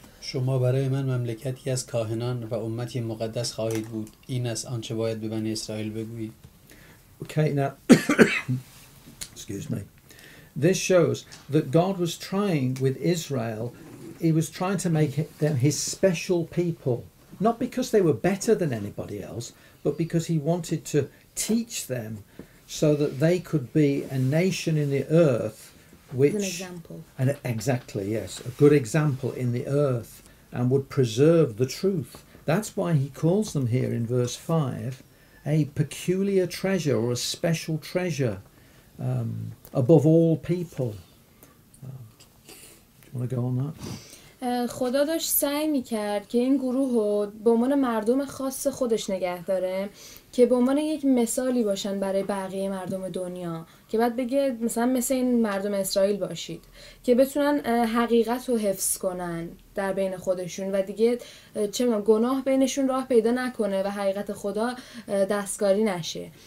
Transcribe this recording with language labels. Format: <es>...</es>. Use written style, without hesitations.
<fa>شما برای من مملکتی از کاهنان و امتی مقدس خواهید بود. این است آنچه باید به بنی اسرائیل بگویید.</fa> <en>Okay, now excuse me. This shows that God was trying with Israel. He was trying to make them his special people, not because they were better than anybody else, but because he wanted to teach them so that they could be a nation in the earth, which an example. And exactly, yes, a good example in the earth, and would preserve the truth. That's why he calls them here in verse 5 a peculiar treasure or a special treasure above all people. Want to go on that?</en> <fa>خدا داشت سعی میکرد که این گروه رو به عنوان مردم خاص خودش نگه داره که به عنوان یک مثالی باشن برای بقیه مردم دنیا، که بعد بگه مثلا مثل این مردم اسرائیل باشید که بتونن حقیقت رو حفظ کنن در بین خودشون و دیگه چه میدونم گناه بینشون راه پیدا نکنه و حقیقت خدا دستکاری نشه.</fa>